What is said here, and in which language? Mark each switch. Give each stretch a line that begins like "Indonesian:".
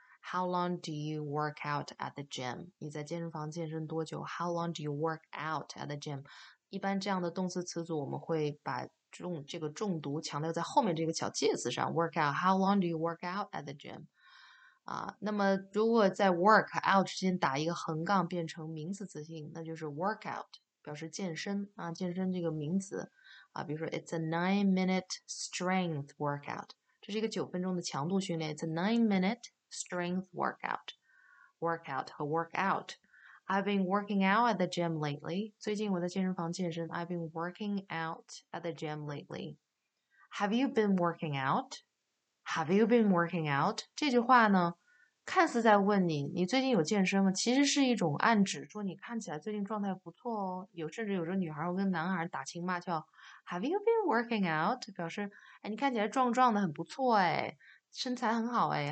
English: How long do you work out at the gym?
Chinese: 你在健身房健身多久
English: ？How long do you work out at the gym?
Chinese: 一般这样的动词词组，我们会把这个重读强调在后面这个小介词上。
English: Work out. How long do you work out at the gym?
Chinese: 啊，那么如果在 work out 之间打一个横杠，变成名词词性，那就是 workout， 表示健身啊，健身这个名词啊。比如说
English: ，It's a 9-minute strength workout，
Chinese: 这是一个9分钟的强度训练。
English: It's a 9-minute strength workout， workout 和 workout。 I've been working out at the gym lately.
Chinese: 最近我在健身房健身。
English: I've been working out at the gym lately. Have you been working out? Have you been working out?
Chinese: 这句话呢，看似在问你，你最近有健身吗？其实是一种暗指，说你看起来最近状态不错哦。甚至有时候女孩会跟男孩打情骂俏 ，
English: Have you been working out?
Chinese: 表示，哎，你看起来壮壮的，很不错哎，身材很好哎。